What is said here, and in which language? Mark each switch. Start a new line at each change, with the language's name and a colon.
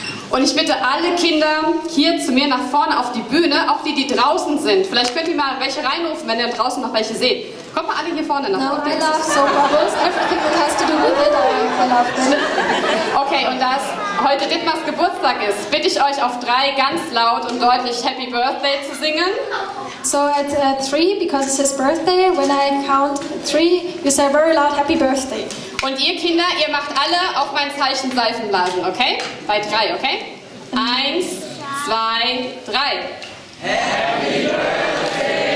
German: Und ich bitte alle Kinder hier zu mir nach vorne auf die Bühne, auch die, die draußen sind. Vielleicht könnt ihr mal welche reinrufen, wenn ihr draußen noch welche seht. Kommt mal alle hier vorne nach vorne.
English: No, I love soccer. Most difficult has to do with it.
German: Okay, und da es heute Dittmars Geburtstag ist, bitte ich euch auf drei ganz laut und deutlich Happy Birthday zu singen.
English: So at three, because it's his birthday, when I count three, you say very loud Happy Birthday.
German: Und ihr Kinder, ihr macht alle auf mein Zeichen Seifenblasen, okay? Bei drei, okay? Eins, zwei, drei.
English: Happy